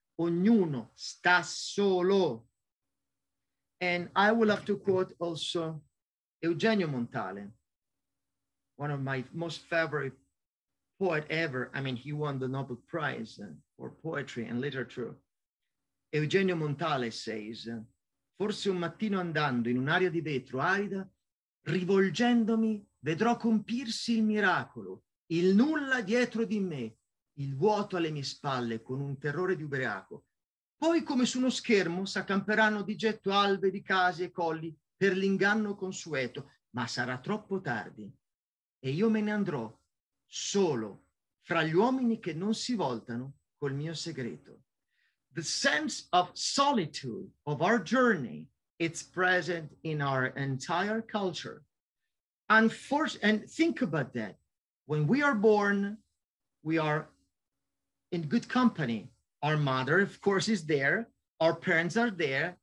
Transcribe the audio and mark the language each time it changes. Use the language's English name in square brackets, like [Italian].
[Italian] Ognuno sta solo. [English] And I will have to quote also Eugenio Montale, one of my most favorite poet ever. I mean, he won the Nobel Prize for poetry and literature. [Italian] Eugenio Montale says, forse un mattino andando in un'aria di vetro arida, rivolgendomi, vedrò compirsi il miracolo, il nulla dietro di me, il vuoto alle mie spalle con un terrore di ubriaco. Poi, come su uno schermo, s'accamperanno di getto albe di case e colli per l'inganno consueto, ma sarà troppo tardi e io me ne andrò solo fra gli uomini che non si voltano col mio segreto. [English] The sense of solitude of our journey, it's present in our entire culture. And think about that. When we are born, we are in good company. Our mother, of course, is there. Our parents are there.